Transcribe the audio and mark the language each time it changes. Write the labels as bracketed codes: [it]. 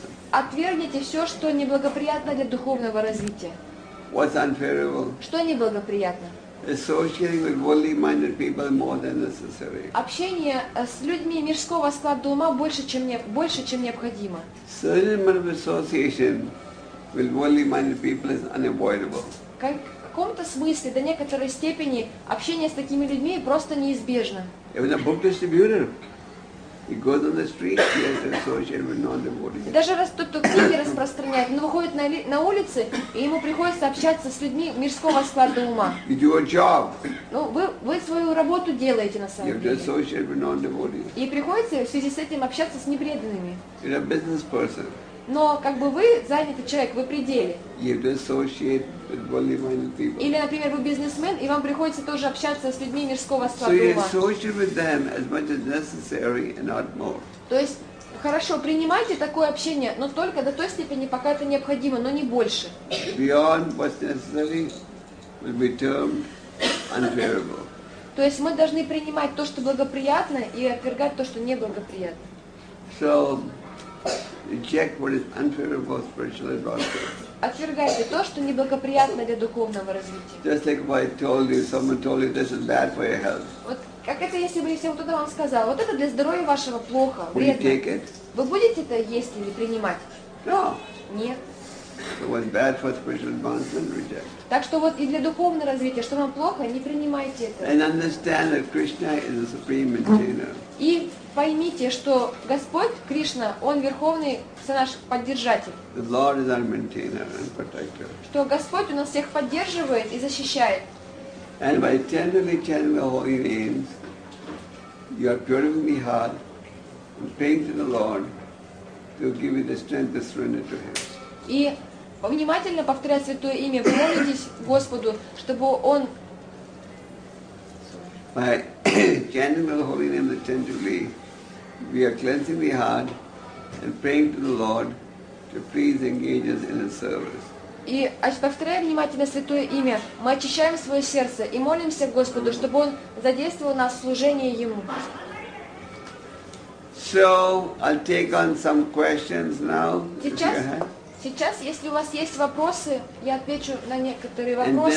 [ru] Отвергните все, что неблагоприятно для духовного развития. [en] What's unfavorable? [ru] Что неблагоприятно? [en] Associating with worldly-minded people more than necessary. [ru] Общение с людьми мирского склада ума больше, чем необходимо. [en] Certain amount of association with worldly-minded people is unavoidable. [ru] каком-то смысле, до некоторой степени, общение с такими людьми просто неизбежно. И даже раз тот, кто книги распространяет, он выходит на улице, и ему приходится общаться с людьми мирского склада ума. [en] You do a job. [ru] Ну, вы свою работу делаете на самом деле. [en] Associate with non-devotees. [ru] И приходится в связи с этим общаться с непреданными. [en] You're a business person. [ru] Но как бы вы занятый человек, вы при деле. [en] You do associate with worldly-minded people. [ru] Или, например, вы бизнесмен, и вам приходится тоже общаться с людьми мирского склада ума. [en] So you associate with them as much as necessary and not more. [ru] То есть, хорошо, принимайте такое общение, но только до той степени, пока это необходимо, но не больше. [en] Beyond what's necessary will be termed unbearable. [ru] То есть мы должны принимать то, что благоприятно, и отвергать то, что неблагоприятно. [en] So, reject what is unfavorable spiritual advice. [ru] Отвергайте то, что неблагоприятно для духовного развития. [en] Just like I told you, someone told you this is bad for your health. [ru] Вот как это, если бы кто-то вам сказал, вот это для здоровья вашего плохо, вредно. [en] Will you take it? [ru] Вы будете это есть или принимать? [en] No. [ru] Нет. [en] So what's bad for spiritual advancement, reject. [ru] Так что вот и для духовного развития, что вам плохо, не принимайте это. [en] And understand that Krishna is the supreme maintainer. [ru] И поймите, что Господь Кришна, Он верховный наш поддержатель. [en] The Lord is our maintainer and protector. [ru] Что Господь у нас всех поддерживает и защищает. [en] And by tenderly chanting the holy names, you are purifying the heart and praying to the Lord to give you the strength to surrender to Him. [ru] И внимательно повторять святое имя, вы молитесь Господу, чтобы Он... [en] By chanting the holy name attentively, we are cleansing the heart and praying to the Lord to please engage us in His service. [ru] И повторяя внимательно святое имя, мы очищаем свое сердце и молимся Господу, чтобы Он задействовал нас в служении Ему. [en] So, I'll take on some questions now. [ru] Сейчас, если у вас есть вопросы, я отвечу на некоторые вопросы.